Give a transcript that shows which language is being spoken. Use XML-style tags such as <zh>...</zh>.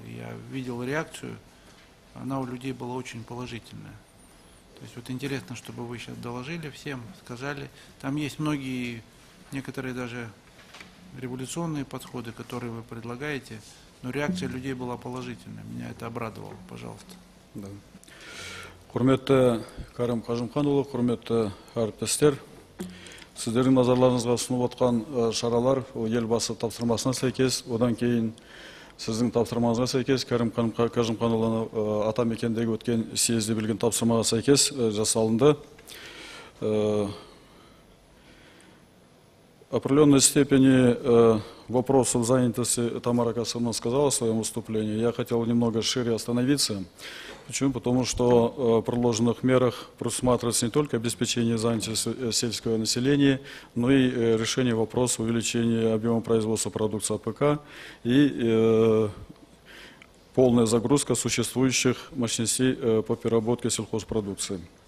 <ru>И я видел реакцию, она у людей была очень положительная. То есть вот интересно, чтобы вы сейчас доложили всем, сказали. Там есть многие, некоторые даже революционные подходы, которые вы предлагаете, но реакция людей была положительной. Меня это обрадовало. Пожалуйста. Да.</ru> <kk>Құрметті Кәрім Қажымханұлы, құрметті әріптестер, сіздердің назарларыңызға ұсынып отқан шаралар елбасы тапсырмасына сәйкес, одан кейін сіздің тапсырмаңызға сәйкес, Кәрім Қажымханұлы атамекендегі өткен съезде берген тапсырмаға сәйкес жасалынды.</kk> <ru>В определенной степени вопросов занятости Тамара Касымовна сказала в своем выступлении. Я хотел немного шире остановиться. Почему? Потому что в предложенных мерах предусматривается не только обеспечение занятости сельского населения, но и решение вопроса увеличения объема производства продукции АПК и полная загрузка существующих мощностей по переработке сельхозпродукции.</ru>